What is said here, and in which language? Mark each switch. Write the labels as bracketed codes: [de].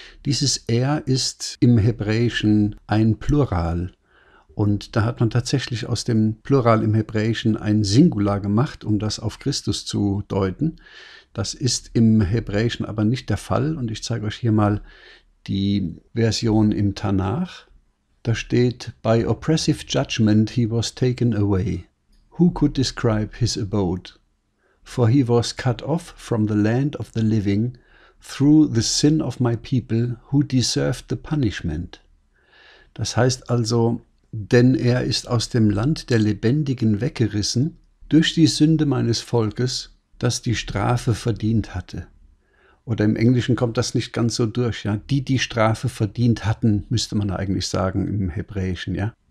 [de] Dieses er ist im Hebräischen ein Plural. Und da hat man tatsächlich aus dem Plural im Hebräischen ein Singular gemacht, um das auf Christus zu deuten. Das ist im Hebräischen aber nicht der Fall. Und ich zeige euch hier mal die Version im Tanach. Da steht, [en] by oppressive judgment he was taken away. Who could describe his abode? For he was cut off from the land of the living through the sin of my people who deserved the punishment. [de] Das heißt also, denn er ist aus dem Land der Lebendigen weggerissen durch die Sünde meines Volkes, das die Strafe verdient hatte. Oder im Englischen kommt das nicht ganz so durch. Ja? Die Strafe verdient hatten, müsste man eigentlich sagen im Hebräischen. Ja?